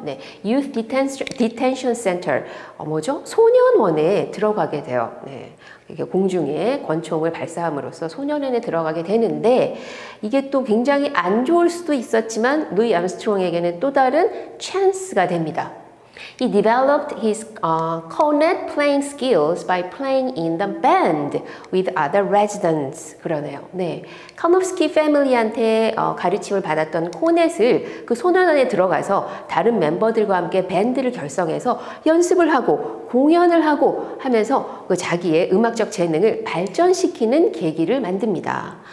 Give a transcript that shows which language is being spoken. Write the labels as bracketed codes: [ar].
[ko] 네, Youth Detention Center, 소년원에 들어가게 돼요. 네. 이게 공중에 권총을 발사함으로써 소년원에 들어가게 되는데 이게 또 굉장히 안 좋을 수도 있었지만 루이 암스트롱에게는 또 다른 찬스가 됩니다. [en] He developed his cornet playing skills by playing in the band with other residents. [ko] 그러네요. 네, 카노프스키 패밀리한테 가르침을 받았던 코넷을 그 소년원에 들어가서 다른 멤버들과 함께 밴드를 결성해서 연습을 하고 공연을 하고 하면서 그 자기의 음악적 재능을 발전시키는 계기를 만듭니다.